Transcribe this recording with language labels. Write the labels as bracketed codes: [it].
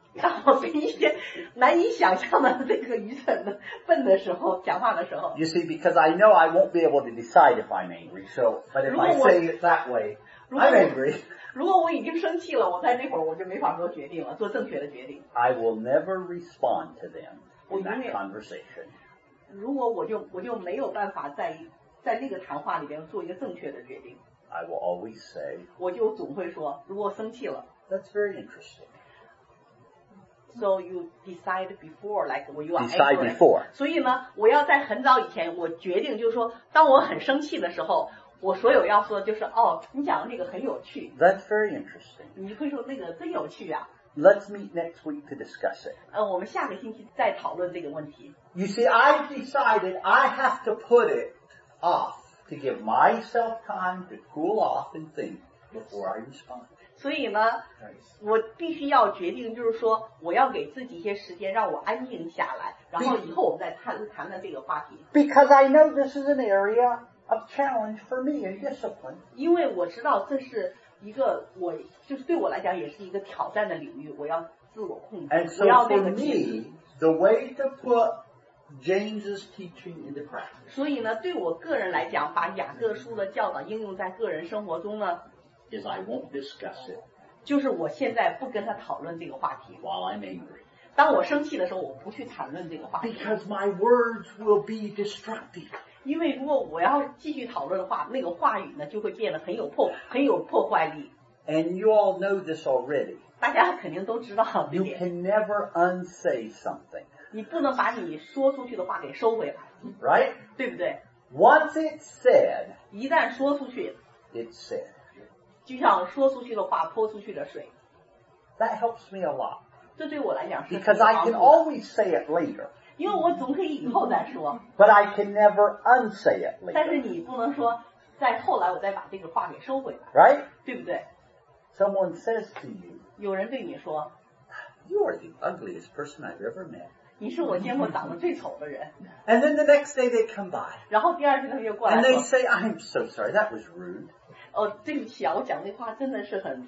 [zh] 当我跟一些难以想象的这个愚蠢的笨的时候讲话的时候 [en] You see, because I know I won't be able to decide if I'm angry, so, but if I say it that way, I'm angry. [zh] 如果我已经生气了我在那会儿我就没法做决定了做正确的决定。 [en] I will never respond to them in that conversation. [zh] 如果我就没有办法在那个谈话里边做一个正确的决定。 [en] I will always say, [zh] 我就总会说如果生气了 [en] That's very interesting. So you decide before, like when you are angry. Decide before. [zh] 所以呢，我要在很早以前，我决定就是说，当我很生气的时候，我所有要说的就是，哦，你讲的那个很有趣。 [en] That's very interesting. [zh] 你会说那个真有趣啊。 [en] Let's meet next week to discuss it. [zh] 我们下个星期再讨论这个问题。 [en] You see, I've decided I have to put it off to give myself time to cool off and think before I respond. [zh] 所以呢我必须要决定就是说我要给自己一些时间让我安静下来然后以后我们再谈这个话题 [en] Because I know this is an area of challenge for me and discipline [zh] 因为我知道这是一个我就是对我来讲也是一个挑战的领域我要自我控制 [en] And so for me the way to put James's teaching into practice [zh] 所以呢对我个人来讲把雅各书的教导应用在个人生活中呢 [en] Is I won't discuss it. [zh] 就是我现在不跟他讨论这个话题 [en] While I'm angry. [zh] 当我生气的时候，我不去谈论这个话题 [en] Because my words will be destructive. [zh] 因为如果我要继续讨论的话，那个话语呢就会变得很有破坏力 [en] And you all know this already. [zh] 大家肯定都知道这点 [en] You can never unsay something. [zh] 你不能把你说出去的话给收回来 [en] Right? [zh] 对不对 [en] Once it's said, [zh] 一旦说出去 [en] It's said. [zh] 就像说出去的话泼出去的水 [en] That helps me a lot [zh] 这对我来讲是 [en] Because I can always say it later [zh] 因为我总可以以后再说 [en] But I can never unsay it later [zh] 但是你不能说在后来我再把这个话给收回来 [en] Right? [zh] 对不对 [en] Someone says to you [zh] 有人对你说 [en] You are the ugliest person I've ever met. [zh] 你是我见过长得最丑的人。 [en] And then the next day they come by. [zh] 然后第二天他又过来。 [en] And they say, I'm so sorry, that was rude. [zh] 哦，对不起啊，我讲这话真的是很。